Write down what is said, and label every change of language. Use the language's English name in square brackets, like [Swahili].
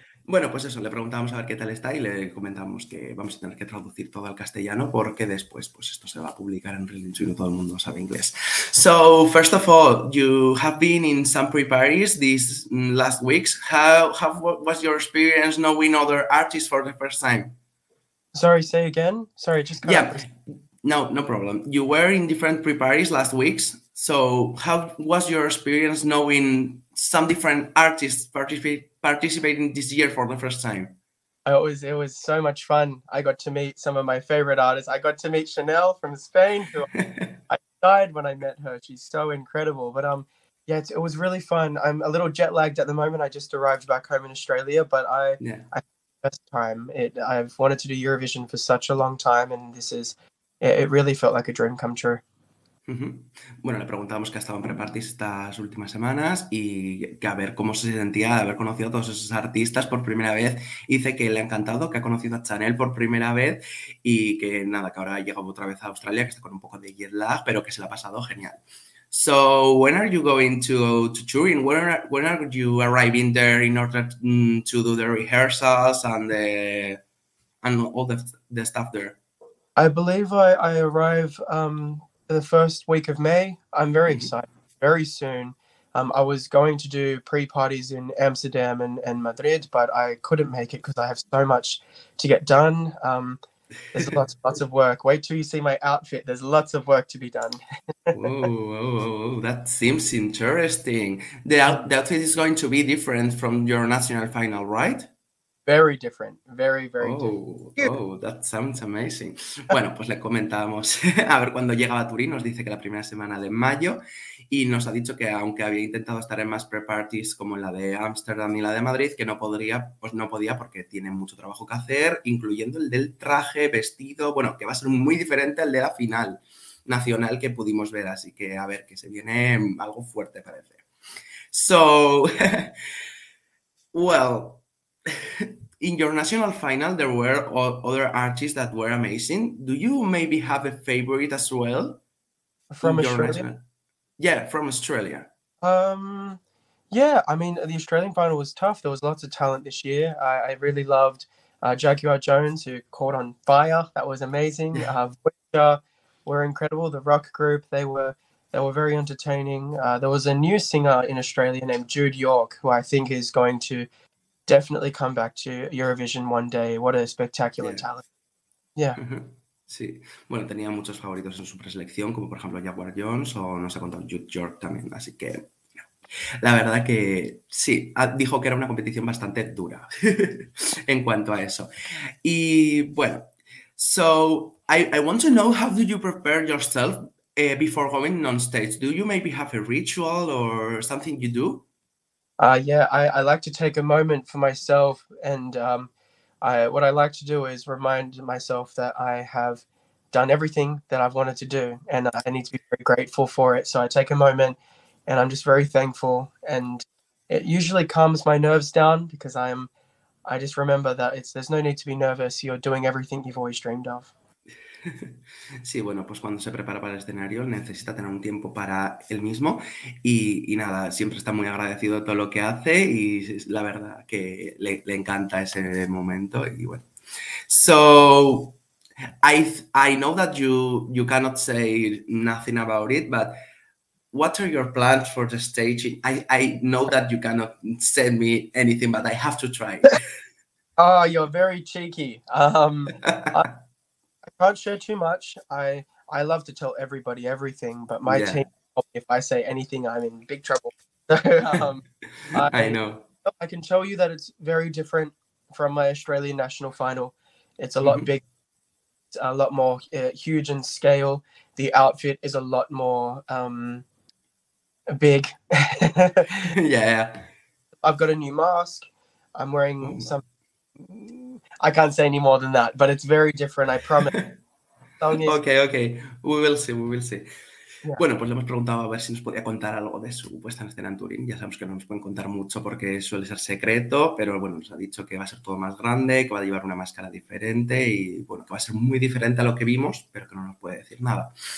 [Spanish] Bueno, pues eso, le preguntamos a ver qué tal está y le comentamos que vamos a tener que traducir todo al castellano porque después pues esto se va a publicar en Relinchu y no todo el mundo sabe inglés. [English] So, first of all, you have been in some pre-parties these last weeks. What was your experience knowing other artists for the first time? Sorry, say again. Sorry, it just cut out for a Yeah, no problem. You were in different pre-parties last weeks. So, how was your experience knowing some different artists participating this year for the first time? It was so much fun. I got to meet some of my favorite artists. I got to meet Chanel from Spain, who I died when I met her. She's so incredible. But it was really fun. I'm a little jet lagged at the moment. I just arrived back home in Australia, but I best time. I've wanted to do Eurovision for such a long time, and this is it really felt like a dream come true. [Spanish] Bueno, le preguntábamos que ha estado en pre-party estas últimas semanas y que a ver cómo se sentía de haber conocido a todos esos artistas por primera vez. Y dice que le ha encantado, que ha conocido a Chanel por primera vez y que nada, que ahora ha llegado otra vez a Australia, que está con un poco de jet lag, pero que se la ha pasado genial. [English] So, when are you going to touring? When are you arriving there in order to do the rehearsals and all the stuff there? I believe I arrive the first week of May. I'm very excited. Very soon. I was going to do pre-parties in Amsterdam and Madrid, but I couldn't make it because I have so much to get done. There's lots of work. Wait till you see my outfit. There's lots of work to be done. Whoa, that seems interesting. The outfit is going to be different from your national final, right? Very different. Very, very different. Oh, that sounds amazing. [Spanish] Bueno, pues le comentábamos a ver cuándo llegaba a Turín. Nos dice que la primera semana de mayo y nos ha dicho que aunque había intentado estar en más pre-parties como la de Ámsterdam y la de Madrid, que no podía porque tiene mucho trabajo que hacer, incluyendo el del traje, vestido, bueno, que va a ser muy diferente al de la final nacional que pudimos ver. Así que a ver, que se viene algo fuerte, parece. [English] So, well. In your national final, there were other artists that were amazing. Do you maybe have a favorite as well From in your Australia? national? Yeah, from Australia. Yeah, I mean, the Australian final was tough. There was lots of talent this year. I really loved Jaguar Jones, who caught on fire. That was amazing. Voyager were incredible. The rock group, they were very entertaining. There was a new singer in Australia named Jude York, who I think is going to definitely come back to Eurovision one day. What a spectacular talent. Yeah. [Spanish] Sí. Bueno, tenía muchos favoritos en su preselección, como por ejemplo Jaguar Jones o nos ha contado Jude York también. Así que la verdad que sí, dijo que era una competición bastante dura en cuanto a eso. Y bueno, [English] so I want to know how do you prepare yourself before going on stage? Do you maybe have a ritual or something you do? I like to take a moment for myself, and what I like to do is remind myself that I have done everything that I've wanted to do, and I need to be very grateful for it. So I take a moment, and I'm just very thankful, and it usually calms my nerves down because I just remember that there's no need to be nervous. You're doing everything you've always dreamed of. [Spanish] Sí, bueno, pues cuando se prepara para el escenario necesita tener un tiempo para él mismo y nada, siempre está muy agradecido de todo lo que hace y la verdad que le encanta ese momento y bueno. [English] So, I know that you cannot say nothing about it, but what are your plans for the staging? I know that you cannot send me anything, but I have to Oh, you're very cheeky. try. I can't share too much. I love to tell everybody everything, but my team, if I say anything, I'm in big trouble. So, I know. I can tell you that it's very different from my Australian national final. It's a lot bigger, it's a lot more huge in scale. The outfit is a lot more big. I've got a new mask. I'm wearing some. I can't say any more than that, but it's very different, I promise. Okay. We will see. We will see. [Spanish] Bueno, pues le hemos preguntado a ver si nos podía contar algo de su puesta en escena en Turín. Ya sabemos que no nos pueden contar mucho porque suele ser secreto, pero bueno, nos ha dicho que va a ser todo más grande, que va a llevar una máscara diferente y bueno, que va a ser muy diferente a lo que vimos, pero que no nos puede decir nada.